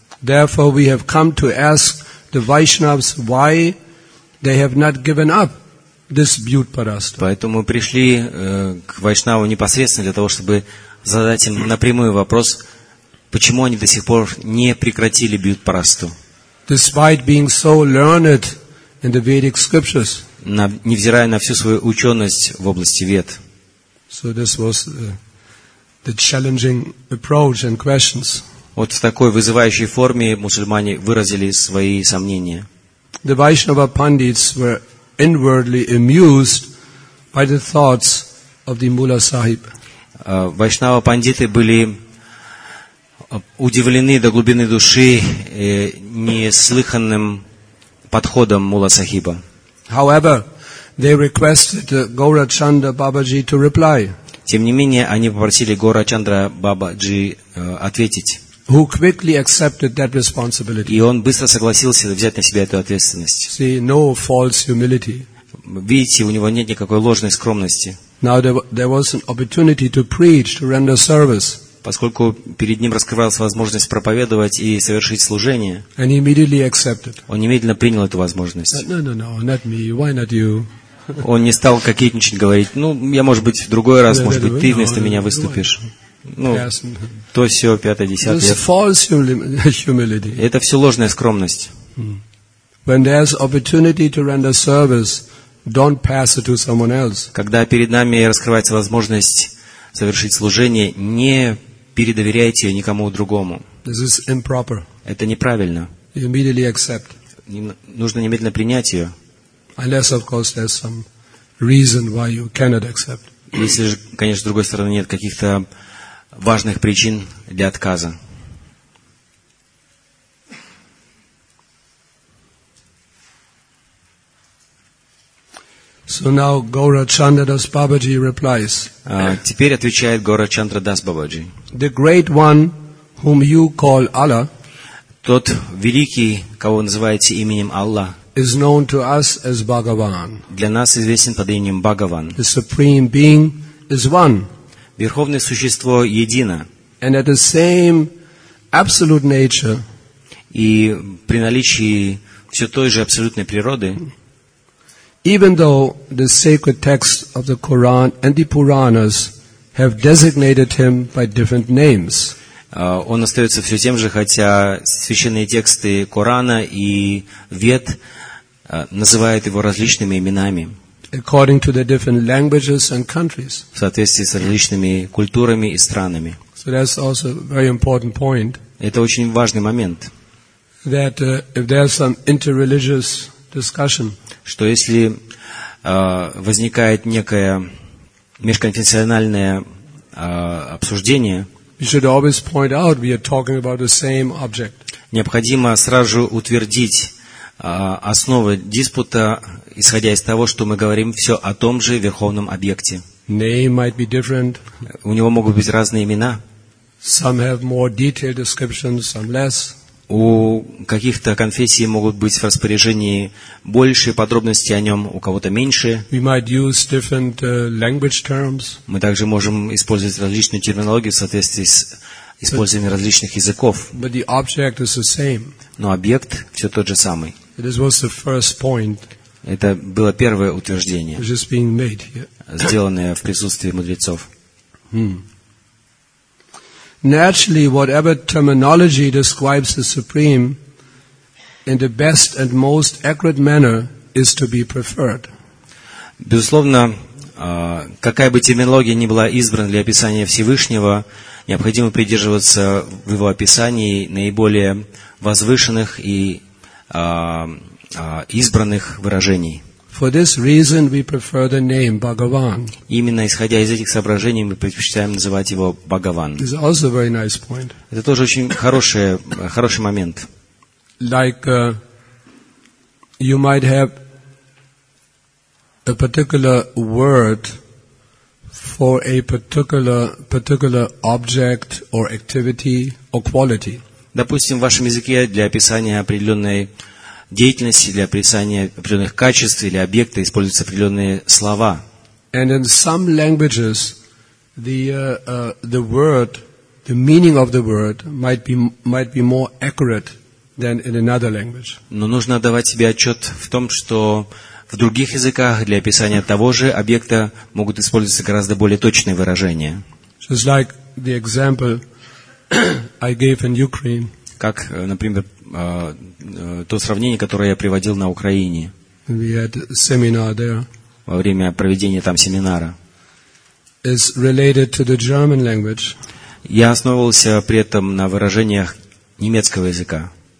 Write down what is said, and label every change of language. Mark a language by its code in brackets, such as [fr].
[en] Therefore, we have come to ask the Vaishnavas why they have not given up this bьют парасту. [ru] Поэтому мы пришли к Вайшнаву непосредственно для того, чтобы задать им напрямую вопрос, почему они до сих пор не прекратили бьют парасту. [en] Despite being so learned in the Vedic scriptures. [ru] Невзирая на всю свою ученость в области вед. [en] So this was the challenging approach and questions. [ru] Вот в такой вызывающей форме мусульмане выразили свои сомнения. [en] The Vaishnava pandits were inwardly amused by the thoughts of the Mulla Sahib. [ru] Вайшнава пандиты были удивлены до глубины души неслыханным подходом Мулла Сахиба. [en] However, they requested Gaurachandra Babaji to reply. [ru] Тем не менее, они попросили Гаурачандра Бабаджи ответить. [en] Who quickly accepted that responsibility? [ru] И он быстро согласился взять на себя эту ответственность. [en] See, no false humility. [ru] Видите, у него нет никакой ложной скромности. [en] Now there was an opportunity to preach, to render service. [ru] Поскольку перед ним раскрывалась возможность проповедовать и совершить служение, [en] and he immediately accepted. [ru] Он немедленно принял эту возможность. [en] No, not me. Why not you? [ru] Он не стал кокетничать, говорить, ну, я, может быть, в другой раз, может быть, ты вместо меня выступишь. Ну, то, сё, пятое, десятое. [en] This false humility. [ru] Это все ложная скромность. [en] When there's opportunity to render service, don't pass it to someone else. [ru] Когда перед нами раскрывается возможность совершить служение, не передоверяйте ее никому другому. [en] This is improper. [ru] Это неправильно. [en] You immediately accept. [ru] Нужно немедленно принять ее. [en] Unless, of course, there's some reason why you cannot accept. [ru] Если же, конечно, с другой стороны, нет каких-то важных причин для отказа. [en] So now Gaurachandra Das Babaji replies. [ru] Теперь отвечает Гаурачандра Дас Бабаджи. [en] The great one whom you call Allah. [ru] Тот великий, кого называете именем Аллах. [en] Is known to us as Bhagavan. [ru] Для нас известен под именем Бхагаван. [en] The supreme being is one. [ru] Верховное существо едино. [en] And at the same absolute nature, [ru] и при наличии все той же абсолютной природы, [en] even though the sacred texts of the Quran and the Puranas have designated him by different names. [ru] Он остается все тем же, хотя священные тексты Корана и Вед называют его различными именами. [en] According to the different languages and countries. [ru] В соответствии с различными культурами и странами. [en] So that's also a very important point. [ru] Это очень важный момент. [en] That if there's some interreligious discussion. [ru] Что если возникает некое межконфессиональное обсуждение. [en] We should always point out we are talking about the same object. [ru] Необходимо сразу утвердить основы диспута, исходя из того, что мы говорим все о том же верховном объекте. [en] Name might be different. [ru] У него могут быть разные имена. [en] Some have more detailed descriptions, some less. [ru] У каких-то конфессий могут быть в распоряжении большие подробности о нем, у кого-то меньше. [en] We might use different language terms. [ru] Мы также можем использовать различную терминологию в соответствии с использованием различных языков. [en] But the object is the same. [ru] Но объект все тот же самый. [en] This was the first point, [ru] это было первое утверждение, [en] which is being made here. [ru] Сделанное в присутствии мудрецов. Hmm. [en] Naturally, whatever terminology describes the Supreme in the best and most accurate manner is to be preferred. [ru] Безусловно, какая бы терминология ни была избрана для описания Всевышнего, необходимо придерживаться в его описании наиболее возвышенных и избранных выражений. [en] For this reason, we prefer the name Bhagavan. [ru] Именно исходя из этих соображений, мы предпочитаем называть его Бхагаван. [en] This is also a very nice point. [ru] Это тоже очень хороший момент. [en] Like you might have a particular word for a particular object or activity or quality. [ru] Допустим, в вашем языке для описания определенной деятельности, для описания определенных качеств или объекта используются определенные слова. [en] And in some languages, the word, the meaning of the word might be more accurate than in another language. [ru] Но нужно отдавать себе отчет в том, что в других языках для описания того же объекта могут использоваться гораздо более точные выражения. [en] Just like the example I gave in Ukraine. [ru] Как, например, то сравнение, которое я приводил на Украине во время проведения там семинара. [en] Is related to the German language. [ru] Я основывался при этом на выражениях немецкого языка.